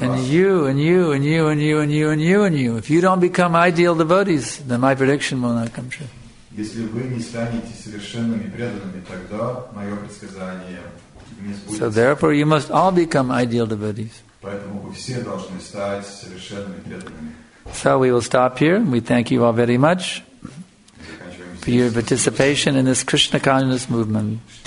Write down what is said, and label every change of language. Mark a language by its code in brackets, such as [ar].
[en] And you, and you, and you, and you, and you, and you, and you. If you don't become ideal devotees, then my prediction will not come true. [ru] Если вы не станете совершенными преданными, тогда мое предсказание не сбудется. [en] So therefore, you must all become ideal devotees. [ru] Поэтому вы все должны стать совершенными преданными. [en] So we will stop here. We thank you all very much for your participation in this Krishna consciousness movement.